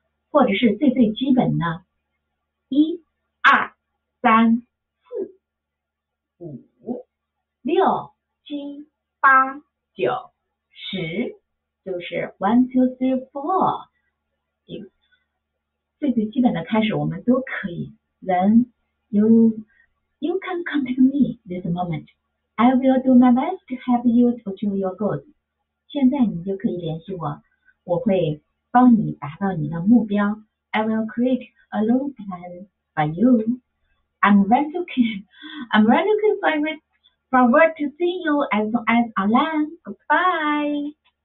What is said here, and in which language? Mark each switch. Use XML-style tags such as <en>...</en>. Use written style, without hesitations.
<zh>或者是最最基本呢？一、二、三、四、五、六、七、八、九、十，就是</zh> <en>one, two, three, four。</en> <zh>最最基本的开始，我们都可以。</zh> <en>Then you can contact me this moment. I will do my best to help you to achieve your goals.</en> <zh>现在你就可以联系我，我会帮你达到你的目标。</zh> <en>I will create a long plan for you. I'm very looking forward to seeing you as online. Goodbye.</en>